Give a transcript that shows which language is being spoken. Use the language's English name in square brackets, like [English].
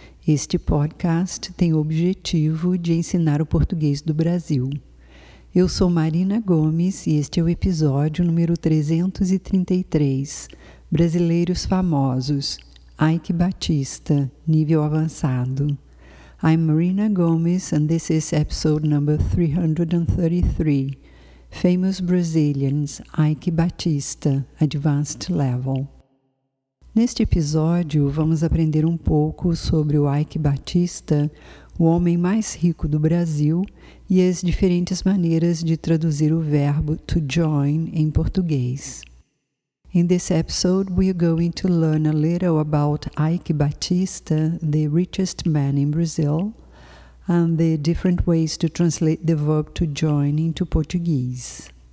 [Portuguese] Este podcast tem o objetivo de ensinar o português do Brasil. Eu sou Marina Gomes e este é o episódio número 333, Brasileiros Famosos, Ike Batista, nível avançado. [English] I'm Marina Gomes and this is episode number 333. Famous Brazilians, Ike Batista, Advanced Level. [Portuguese] Neste episódio, vamos aprender um pouco sobre o Ike Batista, o homem mais rico do Brasil, e as diferentes maneiras de traduzir o verbo to join em português. [English] In this episode, we are going to learn a little about Ike Batista, the richest man in Brazil, and the different ways to translate the verb to join into Portuguese.